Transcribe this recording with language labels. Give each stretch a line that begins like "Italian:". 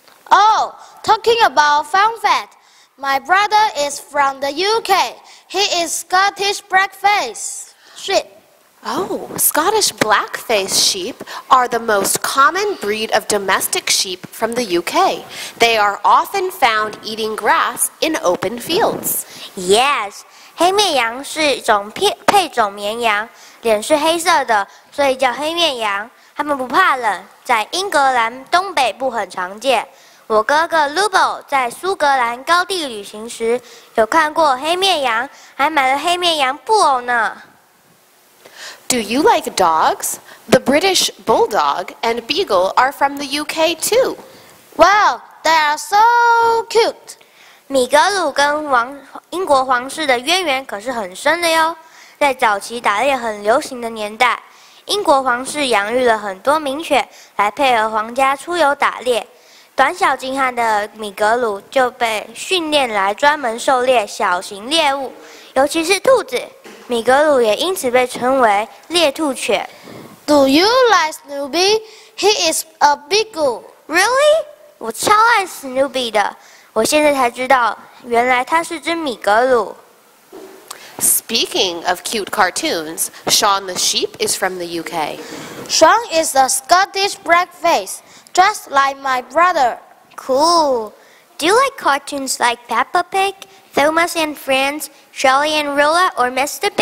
English: Oh, talking about fun facts. My brother is from the UK. He is Scottish blackface sheep. Oh, Scottish blackface sheep are the most common breed of domestic sheep from the UK. They are often found eating grass in open fields. Yes,
Chinese: 黑面羊是一种配种绵羊，脸是黑色的，所以叫黑面羊。它们不怕冷，在英格兰东北部很常见。我哥哥 Lubo 在苏格兰高地旅行时有看过黑面羊，还买了黑面羊布偶呢。
English: Do you like dogs? The British Bulldog and Beagle are from the UK too. Wow, they are so cute.
Chinese: 米格鲁跟英国皇室的渊源可是很深的哟。在早期打猎很流行的年代，英国皇室养育了很多名犬来配合皇家出游打猎。短小精悍的米格鲁就被训练来专门狩猎小型猎物，尤其是兔子。米格鲁也因此被称为猎兔犬。
English: Do you like Snoopy? He is a beagle. Really?
Chinese: 我超爱 Snoopy 的。我现在才知道，原来他是只米格鲁。
English: Speaking of cute cartoons, Shaun the Sheep is from the UK. Shaun is a Scottish blackface, just like my brother. Cool. Do you like cartoons like Peppa Pig, Thomas and Friends, Shelley and Rilla, or Mr.